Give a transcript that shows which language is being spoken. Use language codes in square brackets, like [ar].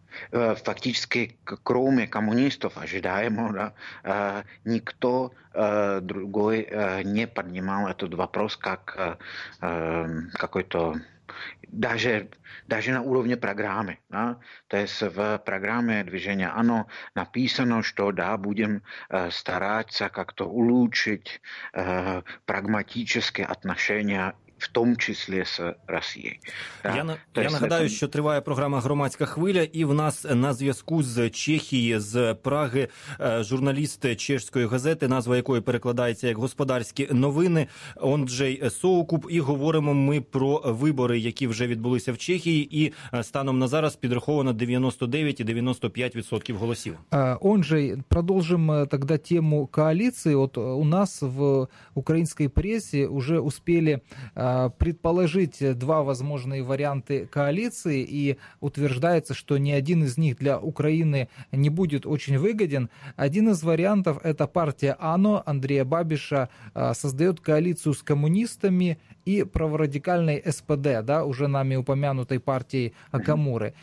[ru] Фактически, кроме коммунистов, ожидаемо, да, никто другой не поднимал этот вопрос как какой-то даже на уровне программы. Да? То есть в программе движения «Оно» написано, что да, будем стараться как-то улучшить прагматические отношения, [uk] в тому числі з Росією. Я, да, я нагадаю, що триває програма «Громадська хвиля», і в нас на зв'язку з Чехії, з Праги, журналіст чешської газети, назва якої перекладається як «Господарські новини», Ондřej Soukup, і говоримо ми про вибори, які вже відбулися в Чехії, і станом на зараз підраховано 99,95% голосів. Ондřej, продовжимо тоді тему коаліції. От у нас в українській пресі вже успіли [ru] предположить два возможные варианты коалиции, и утверждается, что ни один из них для Украины не будет очень выгоден. Один из вариантов – это партия «Оно» Андрея Бабиша создает коалицию с коммунистами и праворадикальной СПД, да, уже нами упомянутой партией Окамуры.